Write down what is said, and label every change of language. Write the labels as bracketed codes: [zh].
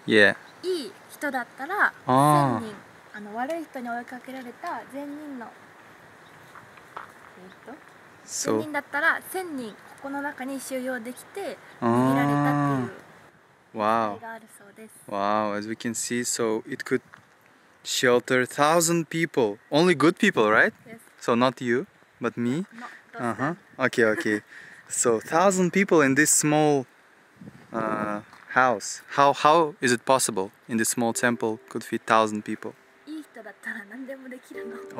[ja] yeah. いい人だったら、千人。悪い人に追いかけられた善人の千人だったら千人ここの中に収容できて逃げられたという意味があるそうです。 [en] Wow, as we can see, so it could shelter 1,000 people. Only good people, right? Yes. So not you, but me? No, Okay. So 1,000 people in this small house. How is it possible in this small temple could fit 1,000 people? [ja] いい人だったら何でもできるの。